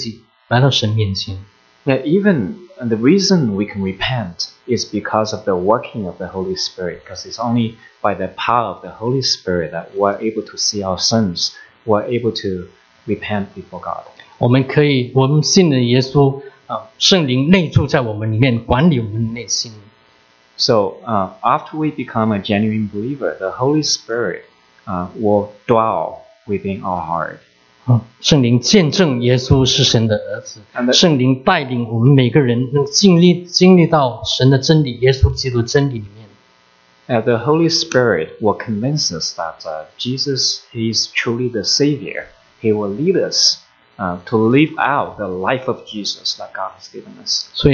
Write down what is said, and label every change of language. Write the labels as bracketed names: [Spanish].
[Chinese] 我们可以悔改是圣灵的工作，为罪、为义、为审判，叫我们自己可以认识、责备自己，来到神面前。 [English] Now even the reason we can repent is because of the working of the Holy Spirit, because it's only by the power of the Holy Spirit that we're able to see our sins, we're able to repent before God. [Chinese] 我们信了耶稣，圣灵内住在我们里面，管理我们内心。 [English] So after we become a genuine believer, the Holy Spirit will dwell within our heart. [Chinese] 圣灵见证耶稣是神的儿子，圣灵带领我们每个人能经历到神的真理，耶稣基督真理里面。 [English] The Holy Spirit will convince us that Jesus is truly the Savior. He will lead us to live out the life of Jesus that God has given us.